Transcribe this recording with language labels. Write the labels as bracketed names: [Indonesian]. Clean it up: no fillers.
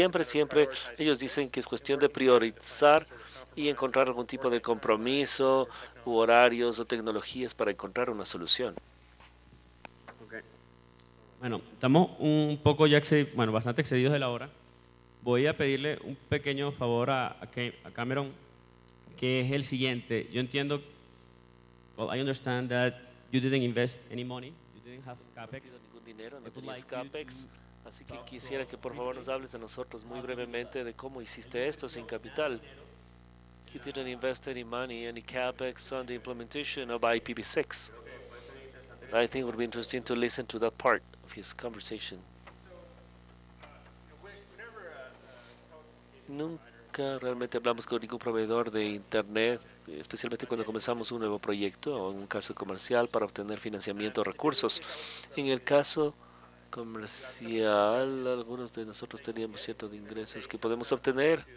[Spanish] Siempre ellos dicen que es cuestión de priorizar y encontrar algún tipo de compromiso u horarios o tecnologías para encontrar una solución. Bueno, estamos un poco ya bastante excedidos de la hora. Voy a pedirle un pequeño favor a Cameron, que es el siguiente. Yo entiendo, [English] I understand that you didn't invest any money, you didn't have capex. [Spanish] No tenías ningún dinero, no tenías capex, así que quisiera que por favor nos hables a nosotros muy brevemente de cómo hiciste esto sin capital. [English] You didn't invest any money, any capex on the implementation of IPv6. I think it would be interesting to listen to that part of his conversation. [Spanish] Nunca realmente hablamos con ningún proveedor de internet, especialmente cuando comenzamos un nuevo proyecto o un caso comercial para obtener financiamiento o recursos. En el caso comercial, algunos de nosotros teníamos ciertos ingresos que podemos obtener.